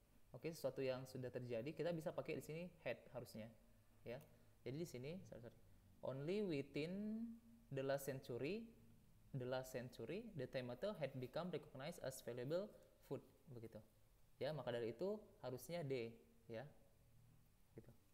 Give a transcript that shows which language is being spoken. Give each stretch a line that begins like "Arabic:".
Indonesian: Oke, sesuatu yang sudah terjadi, kita bisa pakai di sini had harusnya, ya. Jadi di sini sorry.
English: Only within the last century the tomato had become recognized as valuable food, begitu.
Indonesian: Ya, maka dari itu harusnya D, ya. Gitu.